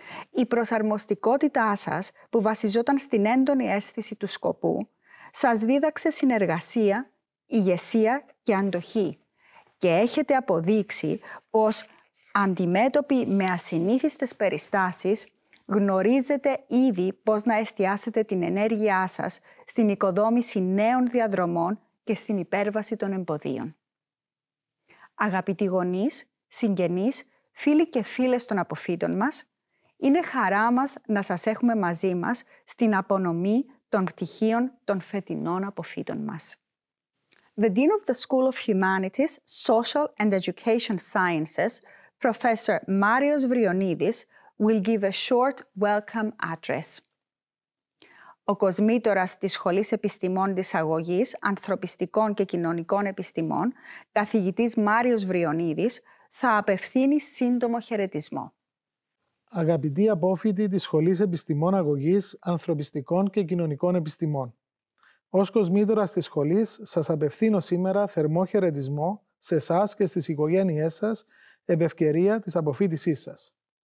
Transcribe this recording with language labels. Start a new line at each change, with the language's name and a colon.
Greek: Η προσαρμοστικότητά σας, που βασιζόταν στην έντονη αίσθηση του σκοπού, σας δίδαξε συνεργασία, ηγεσία και αντοχή και έχετε αποδείξει πως αντιμέτωποι με ασυνήθιστες περιστάσεις, γνωρίζετε ήδη πώς να εστιάσετε την ενέργειά σας στην οικοδόμηση νέων διαδρομών και στην υπέρβαση των εμποδίων. Αγαπητοί γονείς, συγγενείς, φίλοι και φίλες των αποφύτων μας, είναι χαρά μας να σας έχουμε μαζί μας στην απονομή των πτυχίων των φετινών αποφύτων μας.
English: The Dean of the School of Humanities, Social and Education Sciences, Professor Marios Vrionidis, will give a short welcome address.
Greek: Ο κοσμήτορας της Σχολής Επιστημών της Αγωγής, Ανθρωπιστικών και Κοινωνικών Επιστημών, καθηγητής Μάριος Βριονίδης, θα απευθύνει σύντομο χαιρετισμό. Αγαπητοί απόφοιτοι της Σχολής Επιστημών Αγωγής, Ανθρωπιστικών και Κοινωνικών Επιστημών, ως κοσμήτορας της σχολής σας απευθύνω σήμερα θερμό χαιρετισμό σε εσάς και στις οικογένειές σας επ' ευκαιρία της αποφύτισής σας.